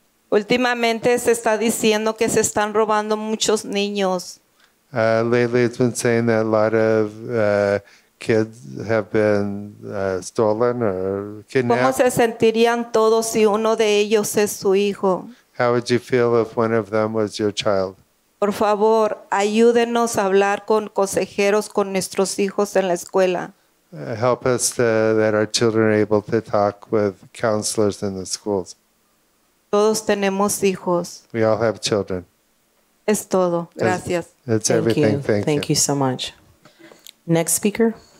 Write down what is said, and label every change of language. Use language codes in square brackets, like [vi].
[es] Últimamente se está diciendo que se están robando muchos niños. [en] Lately, it's been saying that a lot of kids have been stolen or kidnapped? [es] ¿Cómo se sentirían todos si uno de ellos es su hijo? [en] How would you feel if one of them was your child? [es] Por favor, ayúdenos a hablar con consejeros con nuestros hijos en la escuela. [en] Help us to, that our children are able to talk with counselors in the schools. [es] Todos tenemos hijos. [en] We all have children. [es] Es todo. Gracias. [en] That's everything. Thank you. Thank you so much. Next speaker.